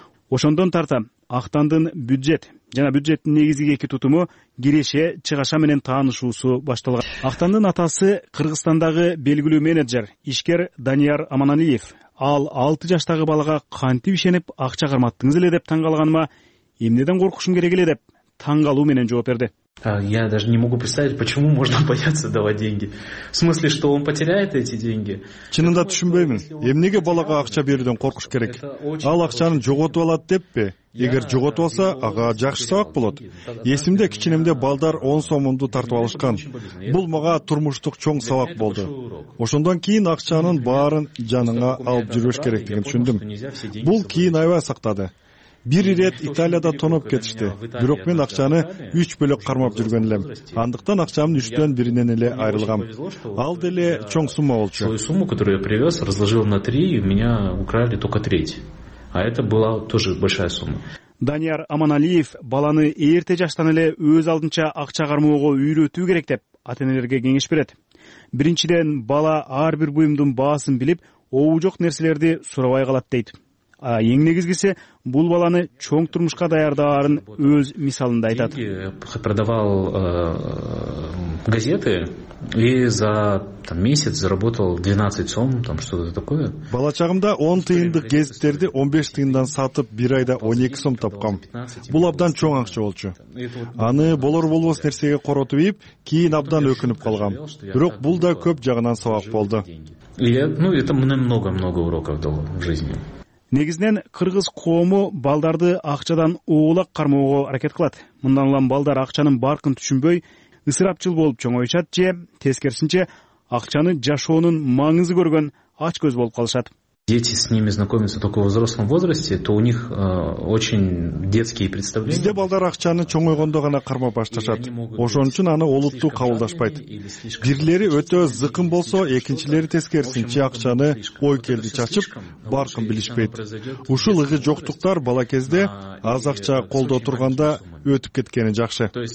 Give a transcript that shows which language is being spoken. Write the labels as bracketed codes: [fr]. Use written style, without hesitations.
[ky] Ошондон тарта актандын бюджет жана бюджеттин негизги эки тутуму киреше, чыгаша менен таанышуусу башталган. Актандын атасы Кыргызстандагы белгилүү менеджер, ишкер Данияр Аманалиев. Ал 6 жаштагы балага кантип ишенип акча карматтыңыз эле деп таң калганыма эмнеден коркушум керек эле деп таң калуу менен жооп берди. [ru] Я даже не могу представить, почему можно бояться давать деньги. В смысле, что он потеряет эти деньги? [ky] Чынында түшүнбөймүн. Эмнеге балага акча берүүдөн коркуш керек? Ал акчаны жоготуп алат деппи? Эгер жоготуп алса, ага жакшы сабак болот. Эсимде кичинемде балдар 10 сомунду тартып алышкан. Бул мага турмуштук чоң сабак болду. Ошондон кийин акчанын баарын жаныңа алып жүрүш керектигин түшүндүм. Бул кийин аябай сактады. Бир ирет Италияда тонуп кетишти. Бирок мен акчаны 3 бөлөк кармап жүргөн элем. Андыктан акчамдын 3-тен 1-инен эле айрылгам. Ал деле чоң сумма болчу. [ru] Той сумму, которую я привез, разложил на 3, и у меня украли только треть. А это была тоже большая сумма. [ky] Данияр Аманалиев баланы эрте жаштан эле өз алдынча акча кармоого үйрөтүү керек деп ата-энелерге кеңеш берет. Биринчиден бала ар бир буюмдун баасын билип, оожок нерселерди сурабай калат дейт. А эң негизгиси бул баланы чоң турмушка даярдаарын өз мисалында айтат. [ru] Продавал газеты и за месяц заработал 12 сом, что-то такое. [ky] Бала чагымда 10 тыйындык газеттерди 15 тыйындан сатып, бир айда 12 сом тапкам. Бул абдан чоң акча болчу. Аны болор болбос нерсеге коротуп ийип, кийин абдан өкүнүп калгам. Бирок бул да көп жагынан сабак болду. [ru] Это мне много-много уроков дало в жизни. [ky] Негизинен кыргыз коому балдарды акчадан оолак кармоого аракет кылат. Мындан улам балдар акчанын баркын түшүнбөй, ысырапчыл болуп чоңоюшат же тескерисинче акчаны жашоонун маңызы көргөн ач көз болуп калышат. [ru] Дети с ними знакомятся только в взрослом возрасте, то у них очень детские представления. [ky] Бизде балдар акчаны чоңойгондо гана кармап башташат. Ошон үчүн аны олуттуу кабылдашпайт. Бирлери өтө зыкым болсо, экинчилери тескерисинче акчаны ой келди чачып, баркын билишпейт. Ушул ыгы жоктуктар бала кезде аз акча колдо турганда өтүп кеткени жакшы.